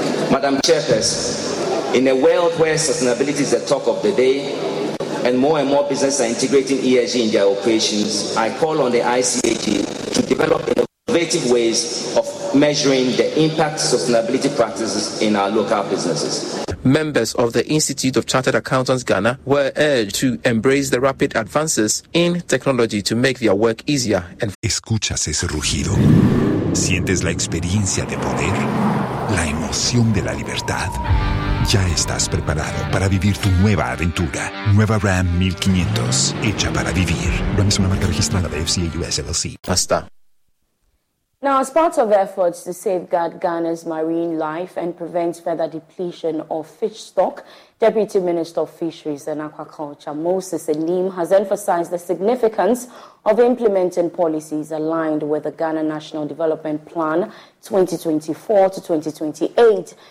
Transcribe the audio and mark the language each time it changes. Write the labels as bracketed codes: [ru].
[en] Madam Chairperson, in a world where sustainability is the talk of the day, and more businesses are integrating ESG in their operations, I call on the ICAG to develop innovative ways of measuring the impact of sustainability practices in our local businesses. Members of the Institute of Chartered Accountants Ghana were urged to embrace the rapid advances in technology to make their work easier. And [es] ¿escuchas ese rugido? ¿Sientes la experiencia de poder? ¿La emoción de la libertad? Ya estás preparado para vivir tu nueva aventura. Nueva Ram 1500, hecha para vivir. Ram es una marca registrada de FCA US LLC. Hasta. [en] Now, as part of efforts to safeguard Ghana's marine life and prevent further depletion of fish stock, Deputy Minister of Fisheries and Aquaculture Moses Enim has emphasized the significance of implementing policies aligned with the Ghana National Development Plan 2024 to 2028.